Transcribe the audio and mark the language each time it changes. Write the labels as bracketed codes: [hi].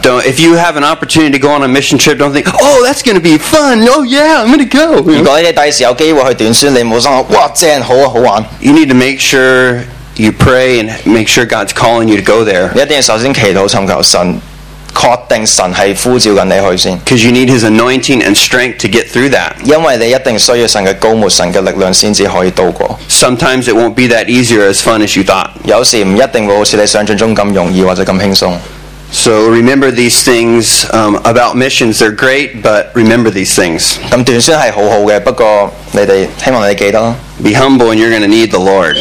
[en] Don't, if you have an opportunity to go on a mission trip, don't think, oh, that's going to be fun. Oh, yeah, I'm going to go. [yue] 如果你第時有機會去短宣，你唔好想哇正好啊好玩。 [en] You need to make sure you pray and make sure God's calling you to go there. [yue] 你一定要首先祈禱尋求神。確定神係呼召緊你去先。 [en] Because you need His anointing and strength to get through that. [yue] 因為你一定需要神嘅高牧、神嘅力量先至可以渡過。 [en] Sometimes it won't be that easy or as fun as you thought. [yue] 有時唔一定會好似你想象中咁容易或者咁輕鬆。 [en] So remember these things about missions. They're great, but remember these things. [yue] 咁短宣係好好嘅，不過你哋希望你哋記得咯。 [en] Be humble and you're going to need the Lord.